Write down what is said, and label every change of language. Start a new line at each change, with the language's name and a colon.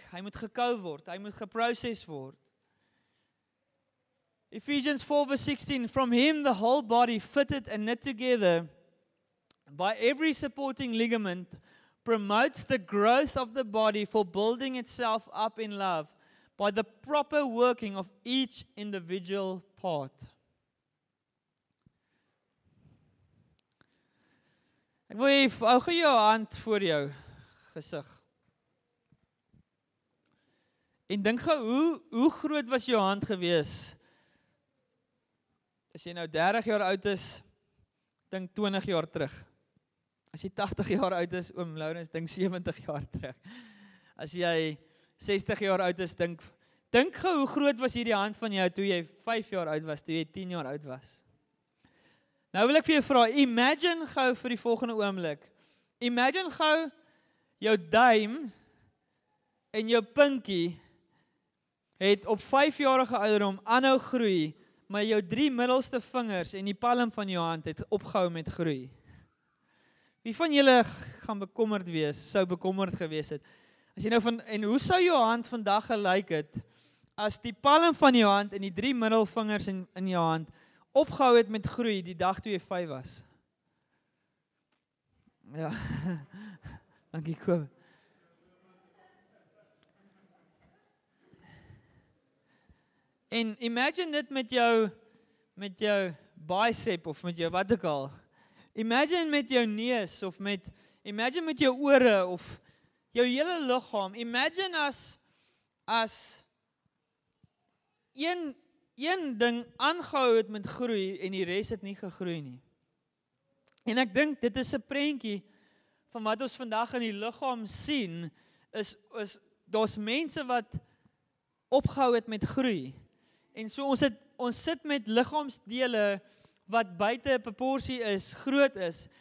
Afrikaans: Hy moet gekou word, hy moet geproses word.
English: Ephesians 4 verse 16, from him the whole body fitted and knit together by every supporting ligament promotes the growth of the body for building itself up in love by the proper working of each individual part.
Afrikaans: Ek wil hou gou jou hand voor jou gesig. En dink gou hoe groot was jou hand gewees? As jy nou 30 jaar oud is, dink 20 jaar terug. As jy 80 jaar oud is, oom Lawrence, dink 70 jaar terug. As jy 60 jaar oud is, dink gou hoe groot was hierdie hand van jou toe jy 5 jaar oud was, toe jy 10 jaar oud was. Nou wil ek vir jou vra, imagine gou vir die volgende oomblik. Imagine gou jou duim en jou pinkie het op 5-jarige ouderdom aanhou groei, maar jou 3 middelste vingers en die palm van jou hand het opgehou met groei. Wie van julle gaan bekommerd wees, sou bekommerd gewees het As jy nou van en hoe sou jou hand vandag gelyk het as die palm van jou hand en die drie middelvingers in jou hand opgehou het met groei die dag toe jy 5 was? Ja. Dankie Kobe. En imagine dit met jou bicep of met jou wat ook al. Imagine met jou neus of imagine met jou ore of jou hele liggaam. Imagine as een ding aangehou het met groei en die res het nie gegroei nie. En ek dink dit is 'n prentjie van wat ons vandag in die liggaam sien is daar's mense wat opgehou het met groei. En so ons sit met liggaamsdele wat buite proporsie is, groot is.